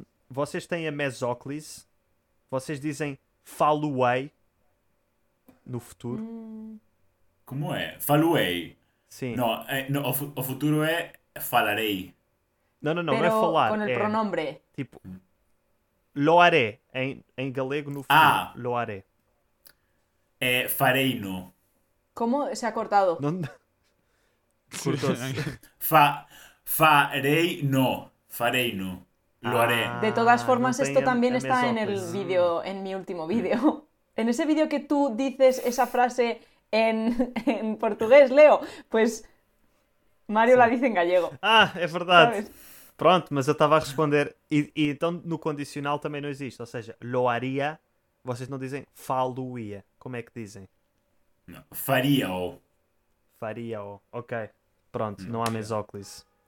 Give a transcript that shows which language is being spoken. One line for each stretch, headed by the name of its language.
Portuguese: Vocês têm a mesóclise? Vocês dizem faluei no futuro? Como é? Faluei? Sim. Não, é, não, o futuro é falarei. Não, pero não é falar. Com o pronome.
Spanish: Tipo, lo haré.
Portuguese: Em galego, no futuro,
Spanish: lo haré.
Galician: É farei-no.
Spanish: Como se ha cortado?
Portuguese: Cortou-se.
Galician: Farei-no. Farei-no.
Spanish: Lo haré. De todas formas, esto también está en el vídeo, en mi último vídeo. En ese vídeo que tú dices esa frase en portugués, Leo, pues Mario la dice en gallego. Ah, es verdad.
Portuguese: Pronto, mas eu estava a responder. E então no condicional também não existe. Ou seja,
Spanish: lo haria,
Portuguese: vocês não dizem faluía. Como é que dizem? Faria-o. Faria-o. Ok. Pronto, não há mesóclise.